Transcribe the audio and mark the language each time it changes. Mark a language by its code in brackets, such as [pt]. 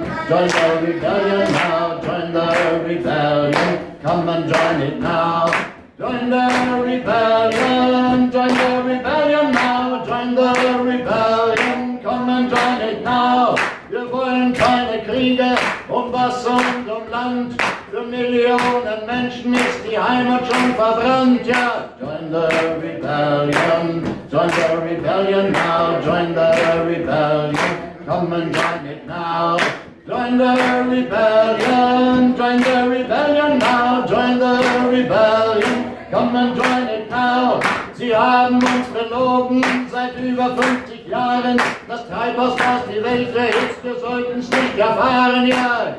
[en] Join the rebellion now, join the rebellion, come and join it now. Join the rebellion now, join the rebellion, come and join it now. [de] Wir wollen keine Kriege um Wasser und um Land. Für Millionen Menschen ist die Heimat schon verbrannt, ja. [en] Yeah. Join the rebellion now, join the rebellion, come and join it now. Join the rebellion now, join the rebellion, come and join it now. [de] Sie haben uns belogen seit über 50 Jahren, das Treibhaus, das die Welt erhitzt, wir sollten's nicht erfahren, ja.